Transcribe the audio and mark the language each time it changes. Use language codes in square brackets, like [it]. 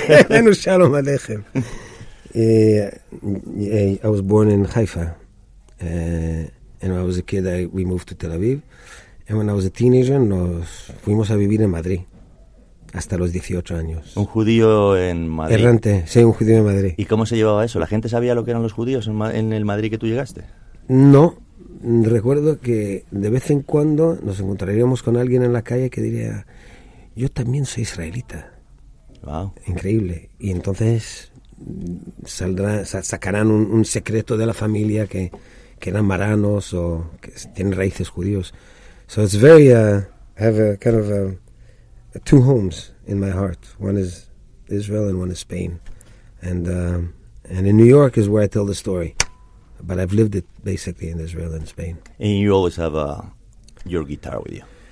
[he] אינו שלום עליכם. [en] I was born in Haifa, and when I was a kid, we moved to Tel Aviv, and when I was a teenager, [es] nos fuimos a vivir en Madrid, hasta los 18 años. ¿Un judío en Madrid? Errante, sí, un judío en Madrid. ¿Y cómo se llevaba eso? ¿La gente sabía lo que eran los judíos en el Madrid que tú llegaste? No, recuerdo que de vez en cuando nos encontraríamos con alguien en la calle que diría, yo también soy israelita. [en] Wow. [es] Increíble. Y entonces... sacarán un secreto de la familia que eran maranos o que tienen raíces judíos. [en] So it's very have a kind of a two homes in my heart. One is Israel and one is Spain. And in New York is where I tell the story. But I've lived it basically in Israel and Spain. And you always have your guitar with you.